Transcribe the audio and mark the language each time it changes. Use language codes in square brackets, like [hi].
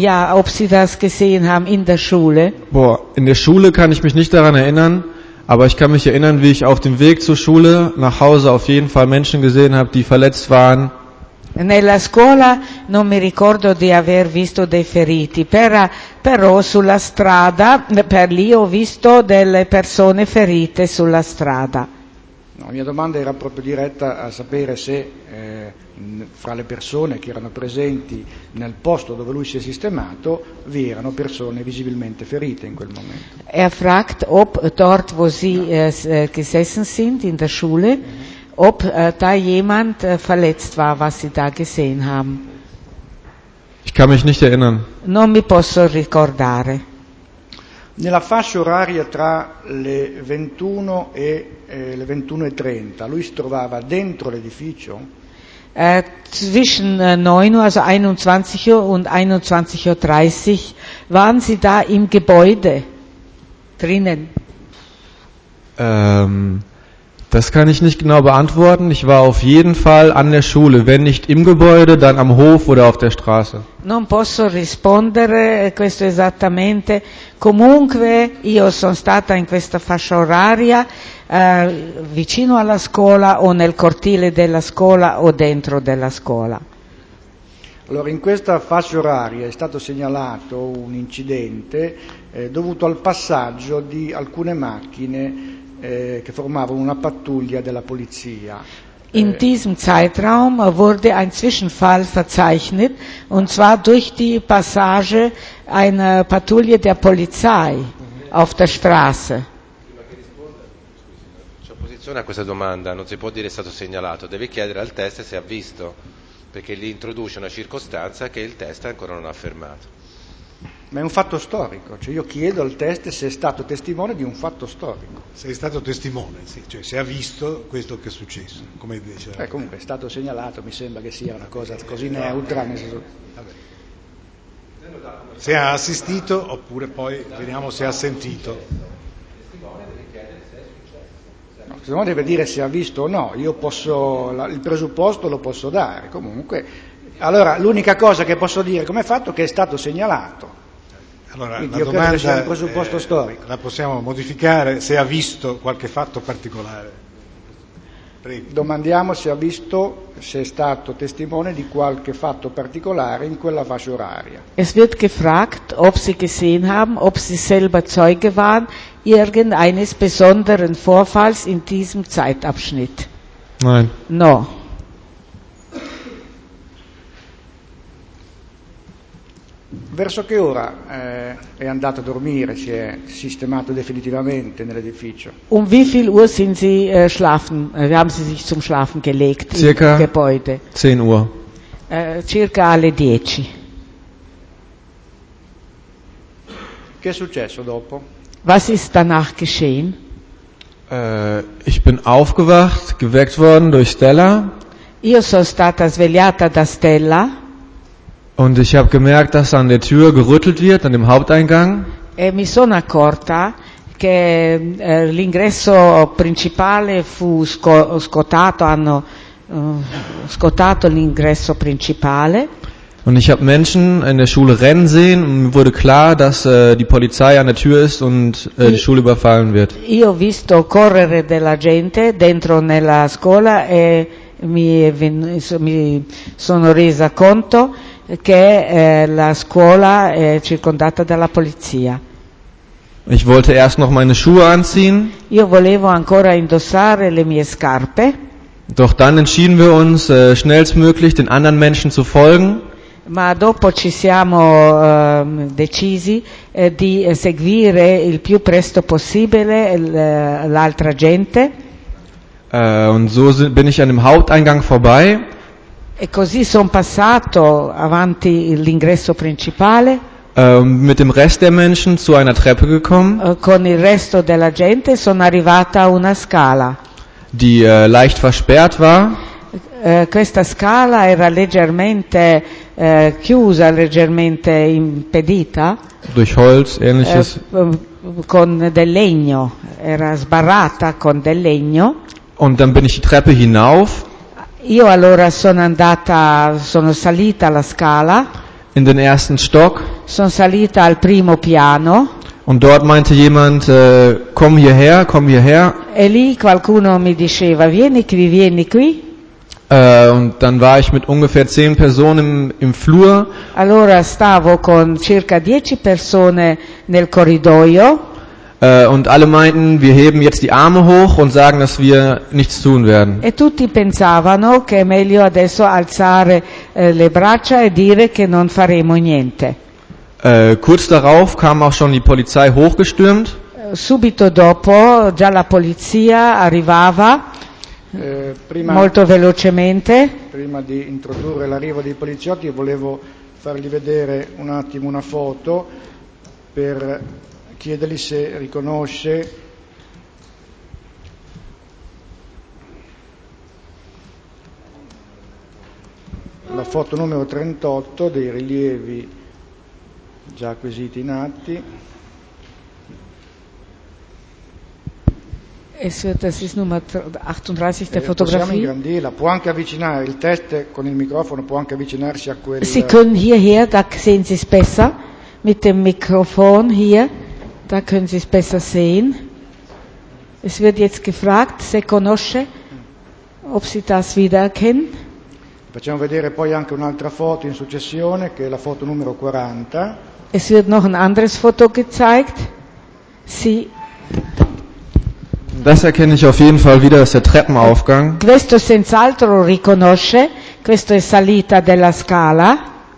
[de] Ja, ob sie das gesehen haben in der Schule? Boah, in der Schule kann ich mich nicht daran erinnern, aber ich kann mich erinnern, wie ich auf dem Weg zur Schule nach Hause auf jeden Fall Menschen gesehen habe, die verletzt waren. [it] Nella scuola non mi ricordo di aver visto dei feriti, però sulla strada, per lì ho visto delle persone ferite sulla strada. No, la mia domanda era proprio diretta a sapere se fra le persone che erano presenti nel posto dove lui si è sistemato vi erano persone visibilmente ferite in quel momento. [de] Fragt ob dort wo sie gesessen sind in der Schule, ob da jemand verletzt war, was sie da gesehen haben. Ich kann mich nicht erinnern. [it] Non mi posso ricordare. Nella fascia oraria tra le 21 e le 21:30, lui si trovava dentro l'edificio? [de] Zwischen 9 Uhr, also 21 Uhr und 21:30 waren sie da im Gebäude drinnen? Das kann ich nicht genau beantworten. Ich war auf jeden Fall an der Schule, wenn nicht im Gebäude, dann am Hof oder auf der Straße. [it] Non posso rispondere questo esattamente. Comunque, io sono stata in questa fascia oraria, vicino alla scuola o nel cortile della scuola o dentro della scuola. Allora, in questa fascia oraria è stato segnalato un incidente dovuto al passaggio di alcune macchine che formavano una pattuglia della polizia. [de] In diesem Zeitraum wurde ein Zwischenfall verzeichnet, und zwar durch die Passage einer Patrouille der Polizei auf der Straße. [it] C'è opposizione a questa domanda, non si può dire è stato segnalato, deve chiedere al test se ha visto, perché lì introduce una circostanza che il test ancora non ha affermato. Ma è un fatto storico, cioè io chiedo al test se è stato testimone di un fatto storico. Se è stato testimone, sì, cioè se ha visto questo che è successo, come dice. Comunque è stato segnalato, mi sembra che sia una cosa così neutra. Se ha assistito oppure poi vediamo se ha sentito. Secondo me deve dire se ha visto o no, io posso, il presupposto lo posso dare, comunque. Allora l'unica cosa che posso dire come fatto è che è stato segnalato. Allora, quindi la domanda un presupposto storico. La possiamo modificare se ha visto qualche fatto particolare. Prego. Domandiamo se ha visto, se è stato testimone di qualche fatto particolare in quella fascia oraria. [de] Es wird gefragt, ob sie gesehen haben, ob sie selber Zeuge waren irgendeines besonderen Vorfalls in diesem Zeitabschnitt. Nein. [it] No. Verso che ora è andato a dormire, si è sistemato definitivamente nell'edificio? [de] Um wie viel Uhr sind Sie schlafen? Haben Sie sich zum Schlafen gelegt circa im Gebäude? 10 Uhr. [it] Circa alle 10. Che è successo dopo? [de] Was ist danach geschehen? Ich bin aufgewacht, geweckt worden durch Stella. [it] Io sono stata svegliata da Stella. [de] Und ich habe gemerkt, dass an der Tür gerüttelt wird, an dem Haupteingang. [it] E mi sono accorta che l'ingresso principale fu scottato, hanno scottato l'ingresso principale. [de] Und ich habe Menschen in der Schule rennen sehen und mir wurde klar, dass die Polizei an der Tür ist und die Schule überfallen wird. [it] Io ho visto correre della gente dentro nella scuola e mi sono resa conto che la scuola è circondata dalla polizia. [de] Ich wollte erst noch meine Schuhe anziehen. [it] Io volevo ancora indossare le mie scarpe. [de] Doch dann entschieden wir uns schnellstmöglich den anderen Menschen zu folgen. [it] Ma dopo ci siamo decisi di seguire il più presto possibile l'altra gente. [de] Und so bin ich an dem Haupteingang vorbei. [it] E così sono passato avanti l'ingresso principale. [de] Mit dem Rest der Menschen zu einer Treppe gekommen. [it] Con il resto della gente sono arrivata a una scala. [de] Die leicht versperrt war. [it] Questa scala era leggermente chiusa, leggermente impedita. [de] Durch Holz, ähnliches. [it] Con del legno, era sbarrata con del legno. [de] Und dann bin ich die Treppe hinauf. [it] Io allora sono salita la scala. [de] In den ersten Stock. [it] Sono salita al primo piano. [de] Und dort meinte jemand, komm hierher, komm hierher. [it] E lì qualcuno mi diceva, vieni qui, vieni qui. [de] Und dann war ich mit ungefähr 10 Personen im Flur. [it] Allora stavo con circa 10 persone nel corridoio. [de] Und alle meinten, wir heben jetzt die Arme hoch und sagen, dass wir nichts tun werden. [it] E tutti pensavano che è meglio adesso alzare le braccia e dire che non faremo niente. [de] Kurz darauf kam auch schon die Polizei hochgestürmt. [it] Subito dopo già la polizia arrivava. Molto velocemente. Prima di introdurre l'arrivo dei poliziotti, volevo fargli vedere un attimo una foto per chiedergli se riconosce la foto numero 38 dei rilievi già acquisiti in atti. [de] Es wird, das ist Nummer 38 der Fotografie. [it] Grandila, può anche avvicinare il test con il microfono, può anche avvicinarsi a quella. [de] Sie können hierher, da sehen Sie es besser mit dem Mikrofon hier. Da können Sie es besser sehen. Es wird jetzt gefragt, [it] se conosce, [de] ob Sie das wiedererkennen. [it] Facciamo vedere poi anche un'altra foto in successione, che è la foto numero 40. [de] Es wird noch ein anderes Foto gezeigt. Sie. Das erkenne ich auf jeden Fall wieder, das ist der Treppenaufgang. [it] Questo senz'altro riconosce, questo è salita della scala.